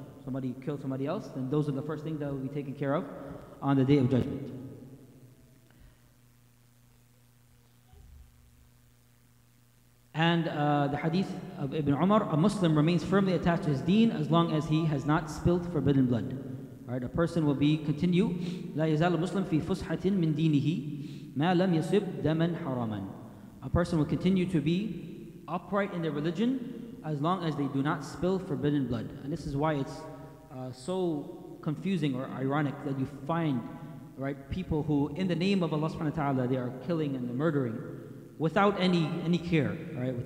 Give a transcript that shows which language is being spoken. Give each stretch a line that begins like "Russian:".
English: Somebody killed somebody else, then those are the first things that will be taken care of on the Day of Judgment. And the hadith of Ibn Umar, a Muslim remains firmly attached to his deen as long as he has not spilt forbidden blood. All right, a person will be, continue,
Arabic: لا يزال المسلم في فسحة من دينه ما لم يصب دما حراما.
English: A person will continue to be upright in their religion as long as they do not spill forbidden blood. And this is why it's so confusing or ironic that you find, right, people who, in the name of Allah subhanahu wa ta'ala, they are killing and murdering without any care, right?